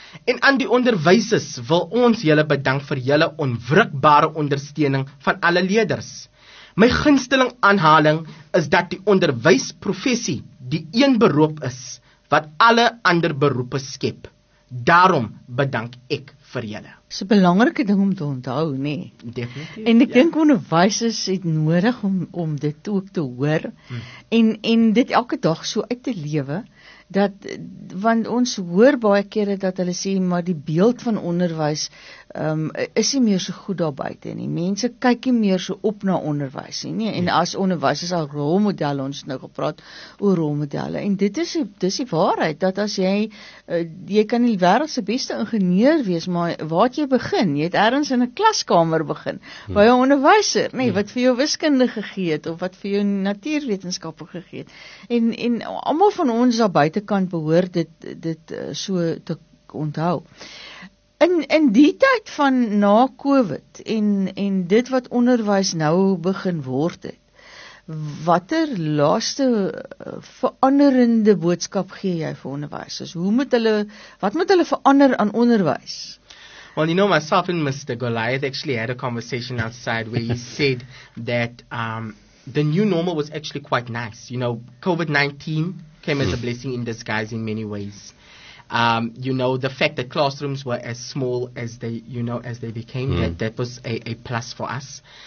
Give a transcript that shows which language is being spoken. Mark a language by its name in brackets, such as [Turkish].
[Afrikaans] En aan die onderwysers wil ons julle bedank vir julle onwrikbare ondersteuning van alle leerders. My gunsteling aanhaling is dat die onderwysprofessie die een beroep is wat alle ander beroepe skep. Daarom bedank ek vir julle. Dis 'n belangrike ding om te onthou, nê? Definitief. En ek dink onderwysers het nodig om dit ook te hoor en dit elke dag so uit te lewe, dat, want ons hoor baie kere dat hulle sê, maar die beeld van onderwijs is nie meer so goed daar buiten nie. Mense kyk nie meer so op na onderwijs nie. Nee. En as onderwijs is al rolmodelle, ons nou gepraat oor rolmodelle. En dit is die waarheid, dat as jy, jy kan die wereldse beste ingenieur wees, maar waar jy begin, jy het ergens in 'n klaskamer begin, by 'n onderwijser, nee, wat vir jou wiskunde gegee het, of wat vir jou natuurwetenskappe gegee het. En allemaal van ons daar buitenkant behoor dit so te onthou. In die tyd van na COVID en dit wat onderwijs nou begin word het, watter laaste veranderende boodskap gee jy vir onderwijs? Dus hoe moet hulle, wat moet hulle verander aan onderwijs? [English] Well, you know, myself and Mr. Goliath actually had a conversation outside where he said that the new normal was actually quite nice. You know, COVID-19 came as a blessing in disguise in many ways. You know, the fact that classrooms were as small as they, you know, as they became, that was a plus for us.